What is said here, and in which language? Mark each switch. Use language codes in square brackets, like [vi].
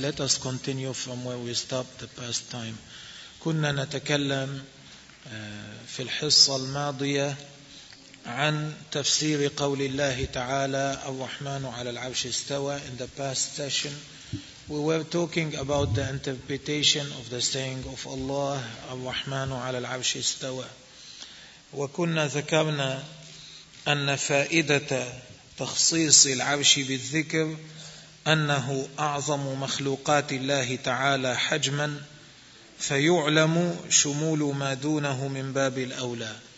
[en] Let us continue from where we stopped the past time. [ar] كنا نتكلم في الحصة الماضية عن تفسير قول الله تعالى الرحمن على العرش استوى. [en] In the past session, we were talking about the interpretation of the saying of Allah [ar] الرحمن على العرش استوى. وكنا ذكرنا أن فائدة تخصيص العرش بالذكر أنه أعظم مخلوقات الله تعالى حجما فيعلم شمول ما دونه من باب الأولى.